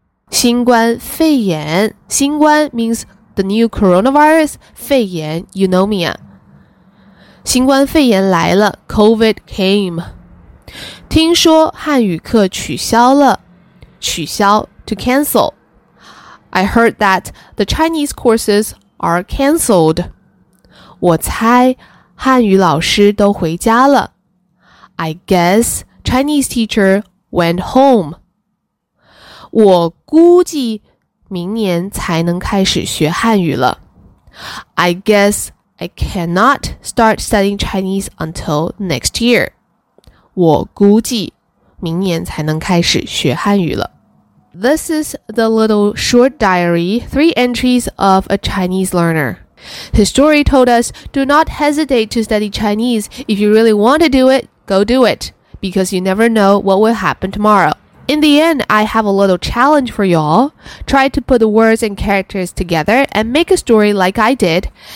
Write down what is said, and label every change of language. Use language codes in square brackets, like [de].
[en] 新冠肺炎,新冠 means the new coronavirus, 肺炎, pneumonia. [zh] 新冠肺炎来了, [en] COVID came. [zh] 听说汉语课取消了,取消, [en] to cancel. I heard that the Chinese courses are cancelled. [zh] 我猜汉语老师都回家了。 [en] I guess Chinese teacher went home. [zh] 我估计明年才能开始学汉语了。 [en] I guess I cannot start studying Chinese until next year. [zh] 我估计明年才能开始学汉语了。 [en] this is the little short diary, three entries of a Chinese learner. His story told us, do not hesitate to study Chinese. If you really want to do it, go do it, because you never know what will happen tomorrow. In the end, I have a little challenge for y'all. Try to put the words and characters together and make a story like I did.